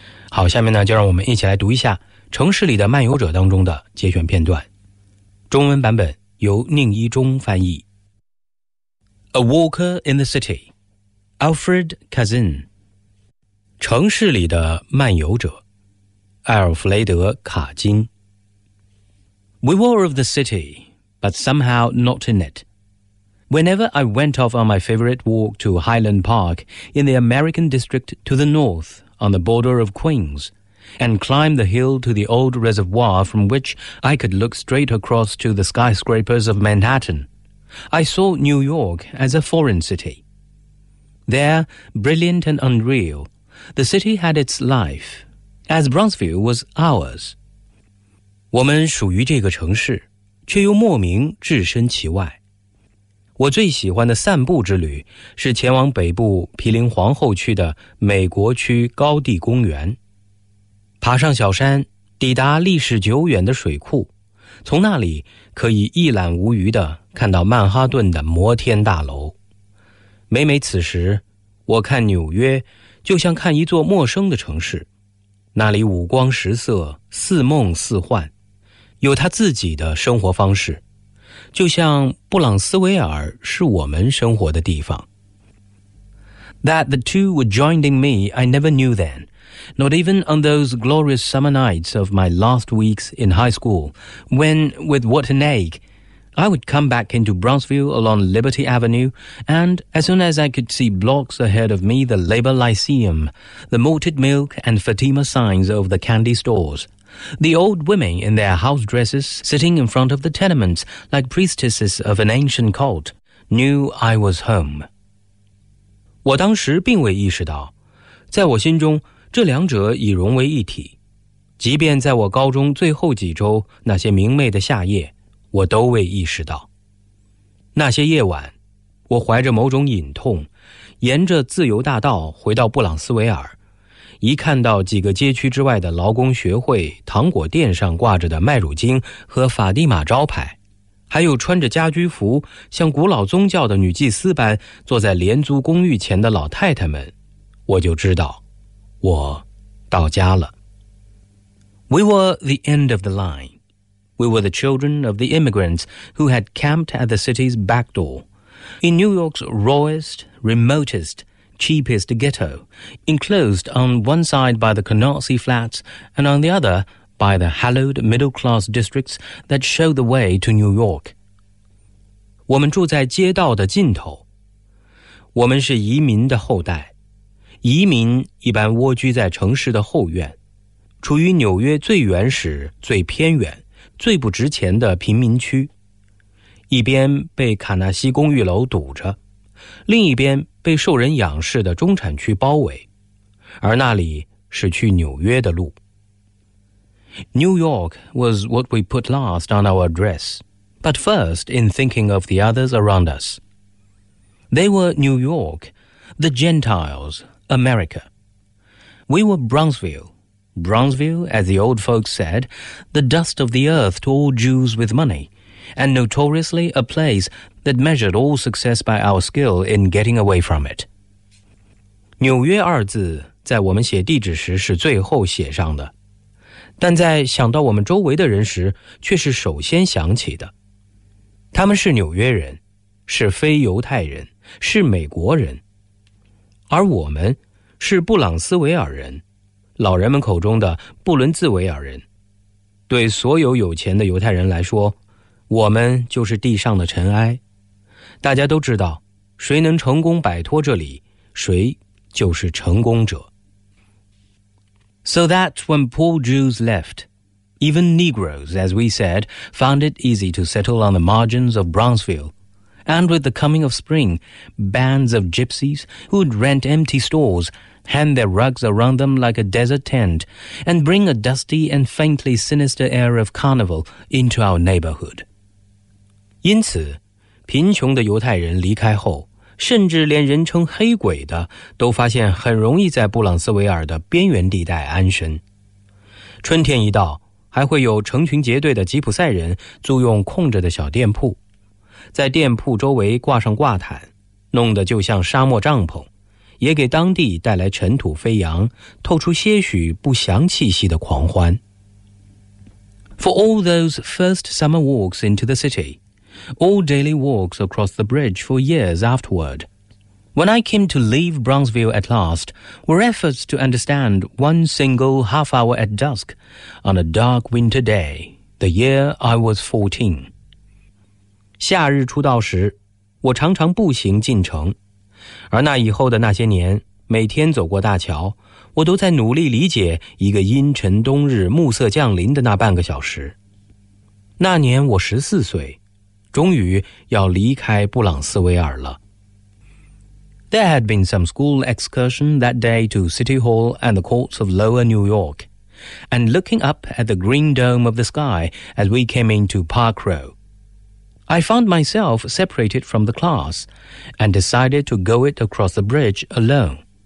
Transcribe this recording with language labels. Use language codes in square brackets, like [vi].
[zh] 好，下面呢，就让我们一起来读一下《城市里的漫游者》当中的节选片段。中文版本由宁一中翻译。 [en] A Walker in the City, Alfred Kazin. [zh] 城市里的漫游者，埃尔弗雷德·卡金。 [en] We were of the city, but somehow not in it. Whenever I went off on my favorite walk to Highland Park in the American district to the north,on the border of Queens, and climbed the hill to the old reservoir from which I could look straight across to the skyscrapers of Manhattan, I saw New York as a foreign city. There, brilliant and unreal, the city had its life, as Bronzeville was ours. [zh] 我们属于这个城市，却又莫名置身其外。我最喜欢的散步之旅是前往北部毗邻皇后区的美国区高地公园，爬上小山，抵达历史久远的水库，从那里可以一览无余地看到曼哈顿的摩天大楼。每每此时，我看纽约就像看一座陌生的城市，那里五光十色，似梦似幻，有它自己的生活方式，就像布朗斯维尔是我们生活的地方。 [en] That the two were joined in me I never knew then, not even on those glorious summer nights of my last weeks in high school, when, with what an ache, I would come back into Brownsville along Liberty Avenue, and as soon as I could see blocks ahead of me the Labor Lyceum, the malted milk and Fatima signs over the candy stores, the old women in their house dresses sitting in front of the tenements like priestesses of an ancient cult, knew I was home. [zh] 我当时并未意识到，在我心中这两者已融为一体。即便在我高中最后几周那些明媚的夏夜，我都未意识到。那些夜晚，我怀着某种隐痛，沿着自由大道回到布朗斯维尔，一看到几个街区之外的劳工学会糖果店上挂着的麦乳精和法蒂玛招牌，还有穿着家居服像古老宗教的女祭司般坐在廉租公寓前的老太太们，我就知道我到家了。 [en] We were the end of the line. We were the children of the immigrants who had camped at the city's back door, in New York's rawest, remotest, cheapest ghetto, enclosed on one side by the Canarsie flats and on the other by the hallowed middle-class districts that show the way to New York. [zh] 我们住在街道的尽头，我们是移民的后代。移民一般蜗居在城市的后院，处于纽约最原始、最偏远、最不值钱的贫民区，一边被卡纳西公寓楼堵着，另一边被受人仰视的中产区包围，而那里是去纽约的路。 [en] New York was what we put last on our address, but first in thinking of the others around us. They were New York, the Gentiles,America. We were Brownsville. Brownsville, as the old folks said, the dust of the earth to all Jews with money, and notoriously a place that measured all success by our skill in getting away from it. [zh] 纽约二字在我们写地址时是最后写上的，但在想到我们周围的人时却是首先想起的。他们是纽约人，是非犹太人，是美国人。而我们是布朗斯维尔人，老人们口中的布伦兹维尔人。对所有有钱的犹太人来说，我们就是地上的尘埃。大家都知道，谁能成功摆脱这里，谁就是成功者。 [en] So that when poor Jews left, even Negroes, as we said, found it easy to settle on the margins of Brownsville. And with the coming of spring, bands of gypsies who'd rent empty stores, hang their rugs around them like a desert tent, and bring a dusty and faintly sinister air of carnival into our neighborhood. [zh] 因此，贫穷的犹太人离开后，甚至连人称黑鬼的都发现很容易在布朗斯维尔的边缘地带安身。春天一到，还会有成群结队的吉普赛人租用空着的小店铺。在店铺周围挂上挂毯，弄得就像沙漠帐篷，也给当地带来尘土飞扬，透出些许不祥气息的狂欢。 [en] For all those first summer walks into the city, all daily walks across the bridge for years afterward, when I came to leave Brownsville at last, were efforts to understand one single half hour at dusk on a dark winter day, the year I was 14. [zh] 夏日出道时，我常常步行进城，而那以后的那些年，每天走过大桥，我都在努力理解一个阴沉冬日暮色降临的那半个小时。那年我14岁，终于要离开布朗斯维尔了。 [en] There had been some school excursion that day to City Hall and the courts of Lower New York, and looking up at the green dome of the sky as we came into Park Row. I found myself separated from the class and decided to go it across the bridge alone.